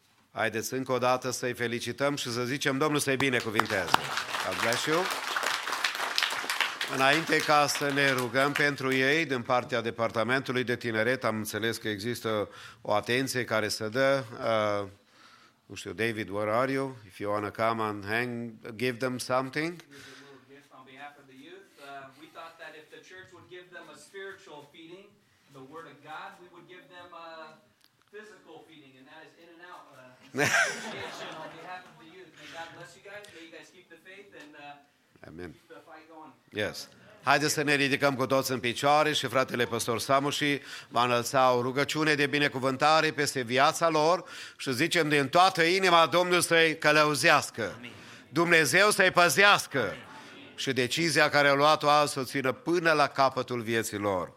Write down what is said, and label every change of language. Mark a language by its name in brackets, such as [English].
[Romanian] Haideți încă o dată să-i felicităm și să zicem Domnul să-i binecuvinteze. [English] God bless you. [Romanian] Înainte ca să ne rugăm pentru ei, din partea departamentului de tineret, am înțeles că există o atenție care se dă. Nu știu, [English] David, where are you? If you want to come and hang, give them something. Here's a little gift on behalf of the youth. We thought that if the church would give them a spiritual feeding, the word of God, we would give them a physical feeding, and that is in and out. On behalf of the youth, may God bless you guys. May you guys keep the faith and amen. Keep the fight going. Yes. [Romanian] Haideți să ne ridicăm cu toți în picioare și fratele păstor Samuși va înălța o rugăciune de binecuvântare peste viața lor și zicem din toată inima Domnului să-i călăuzească, Dumnezeu să-i păzească și decizia care a luat-o azi să o țină până la capătul vieții lor.